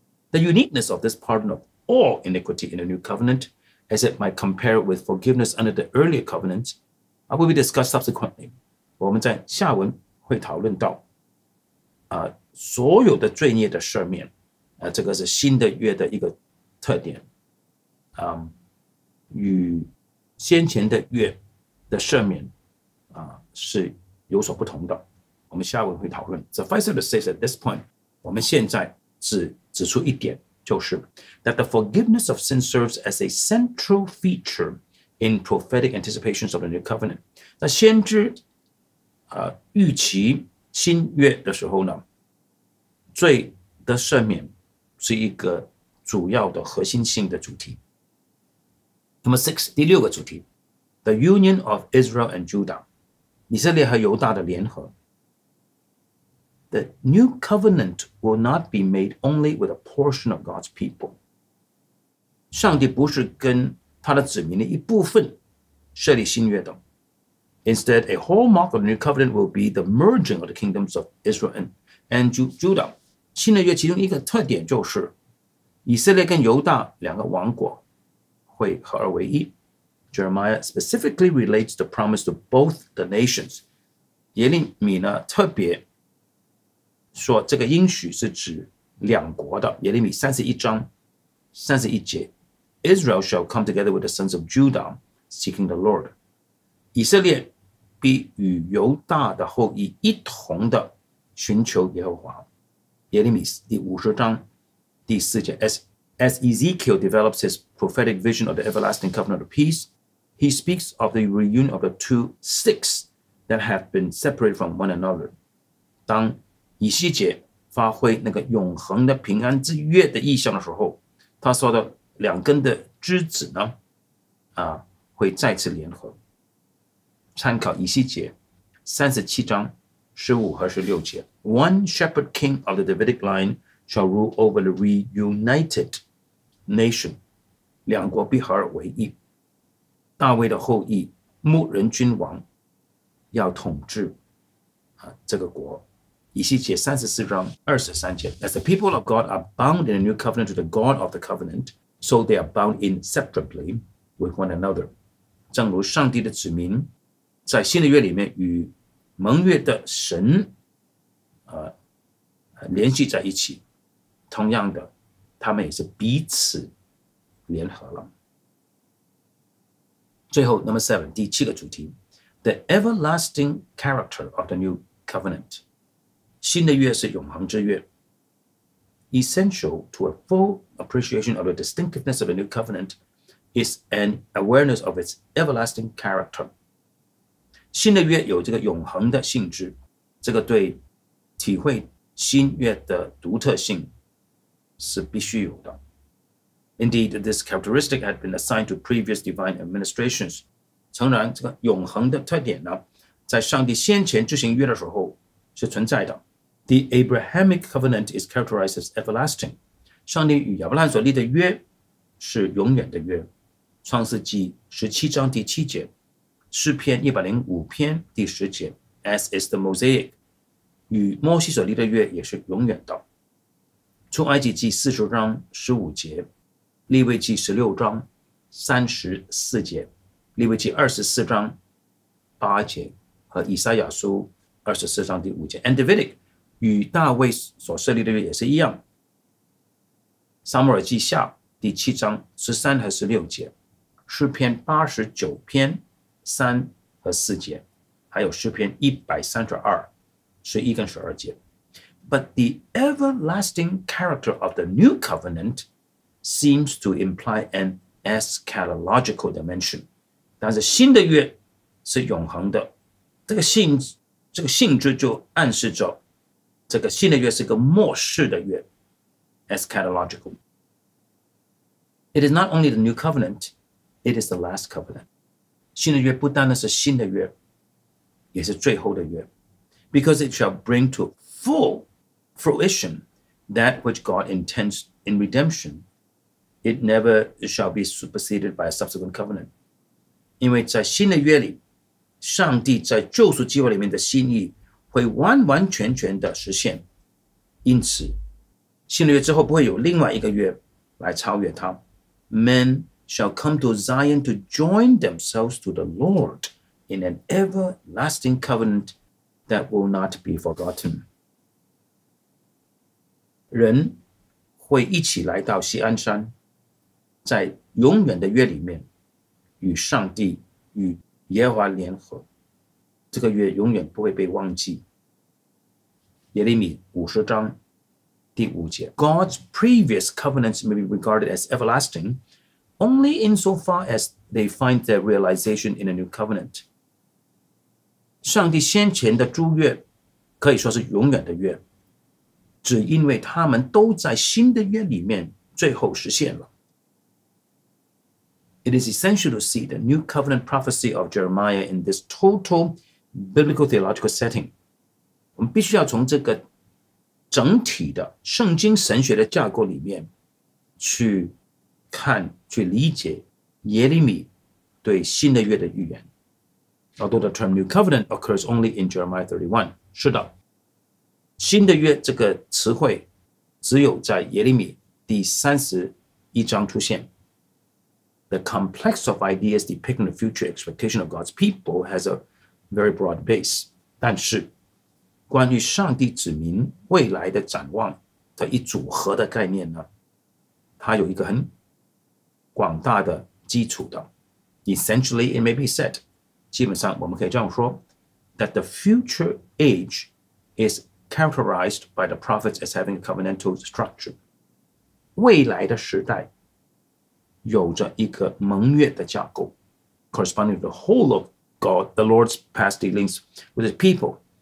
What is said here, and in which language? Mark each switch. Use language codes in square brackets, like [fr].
[en] The uniqueness of this pardon of all iniquity in the new covenant, as it might compare with forgiveness under the earlier covenant, will be discussed subsequently. [zh] 我们在下文会讨论到，所有的罪孽的赦免，这个是新的约的一个特点，与先前的约的赦免是有所不同的，我们下文会讨论。 [en] Suffice it to say at this point, [zh] 我们现在只指出一点，就是 [en] that the forgiveness of sin serves as a central feature in prophetic anticipations of the new covenant. [zh] 那先知预期新约的时候呢，罪的赦免是一个主要的核心性的主题。 [en] Number six, [zh] 第六个主题 [en] The union of Israel and Judah, [zh] 以色列和犹大的联合。 [en] The new covenant will not be made only with a portion of God's people. [zh] 上帝不是跟他的子民的一部分设立新约的。 [en] Instead, a hallmark of the new covenant will be the merging of the kingdoms of Israel and Judah. [zh] 新的约其中一个特点就是以色列跟犹大两个王国会合而为一。 [en] Jeremiah specifically relates the promise to both the nations. [zh] 耶利米呢特别说这个应许是指两国的。耶利米三十一章三十一节 [en] Israel shall come together with the sons of Judah seeking the Lord. [zh] 以色列必与犹大的后裔一同的寻求耶和华。耶利米第五十章第四节 [en] As Ezekiel develops his prophetic vision of the everlasting covenant of peace, he speaks of the reunion of the two sticks that have been separated from one another. [zh] 当以西结发挥那个永恒的平安之约的意象的时候，他说的两根的枝子呢，会再次联合。参考以西结三十七章十五和十六节 [en] One shepherd king of the Davidic line shall rule over the reunited nation. [zh] 两国必合而为一。大卫的后裔牧人君王要统治这个国。以西结三十四章二十三节 [en] As the people of God are bound in a new covenant to the God of the covenant, so they are bound inseparably with one another. [zh] 正如上帝的子民在新的约里面与盟约的神联系在一起，同样的他们也是彼此联合了。最后 [en] number seven, [zh] 第七个主题 [en] The everlasting character of the new covenant [zh] 新的约是永恒之约。 [en] Essential to a full appreciation of the distinctiveness of the new covenant is an awareness of its everlasting character. [zh] 新的约有这个永恒的性质，这个对体会新约的独特性是必须有的。 [en] Indeed, this characteristic had been assigned to previous divine administrations. [zh] 诚然，这个永恒的特点呢，在上帝先前执行约的时候是存在的。 [en] The Abrahamic covenant is characterized as everlasting. [zh] 上帝与亚伯兰所立的约是永远的约。创世纪十七章第七节。诗篇105篇第十节 [en] As is the Mosaic [zh] 与摩西所立的约也是永远的。出埃及记四十章十五节，利未记十六章三十四节，利未记二十四章八节和以赛亚书二十四章第五节。 [en] And Davidic [zh] 与大卫所设立的约也是一样。撒母耳记下第七章十三和十六节，诗篇八十九篇三和四节，还有诗篇一百三十二十一跟十二节。 [en] But the everlasting character of the new covenant seems to imply an eschatological dimension. [zh] 但是新的约是永恒的，这个性质就暗示着这个新的约是个末世的约。 [en] Eschatological. It is not only the new covenant, it is the last covenant. [zh] 新的约不单单是新的约，也是最后的约。 [en] Because it shall bring to full fruition that which God intends in redemption, it never shall be superseded by a subsequent covenant. [zh] 因为在新的约里，上帝在救赎计划里面的心意会完完全全的实现，因此新的约之后不会有另外一个约来超越它。 [en] Men shall come to Zion to join themselves to the Lord in an everlasting covenant that will not be forgotten. [zh] 人会一起来到锡安山，在永远的约里面与上帝与耶和华联合，这个约永远不会被忘记。耶利米五十章第五节， [en] God's previous covenants may be regarded as everlasting only insofar as they find their realization in a new covenant. [zh] 上帝先前的诸约可以说是永远的约，只因为他们都在新的约里面最后实现了。 [en] It is essential to see the new covenant prophecy of Jeremiah in this total biblical theological setting. [zh] 我们必须要从这个整体的圣经神学的架构里面去看，去理解耶利米对新的约的预言。 [en] Although the term new covenant occurs only in Jeremiah 31. [zh] 是的，新的约这个词汇只有在耶利米第三十一章出现。 [en] The complex of ideas depicting the future expectation of God's people has a very broad base. [zh] 但是关于上帝子民未来的展望的一组合的概念呢，它有一个很广大的基础的。 [en] Essentially, it may be said, [zh] 基本上我们可以这样说， [en] that the future age is characterized by the prophets as having a covenantal structure. [zh] 未来的时代有着一个盟约的架构， [en] corresponding to the whole of God, the Lord's past dealings with his people.